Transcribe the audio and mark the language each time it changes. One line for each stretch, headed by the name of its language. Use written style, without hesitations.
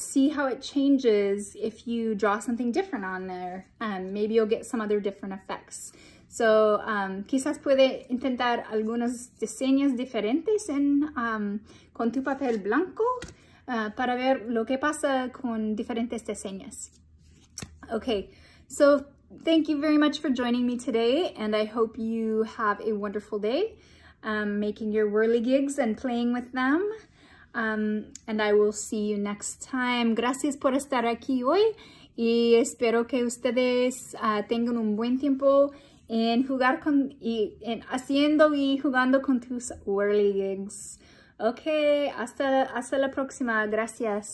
English: See how it changes if you draw something different on there. Maybe you'll get some other different effects.
Spanish: So quizás puede intentar algunos diseños diferentes en con tu papel blanco para ver lo que pasa con diferentes diseños.
English: Okay, so thank you very much for joining me today and I hope you have a wonderful day making your whirligigs and playing with them. And I will see you next time.
Spanish: Gracias por estar aquí hoy y espero que ustedes tengan un buen tiempo en jugando con tus whirligigs. Okay, hasta la próxima. Gracias.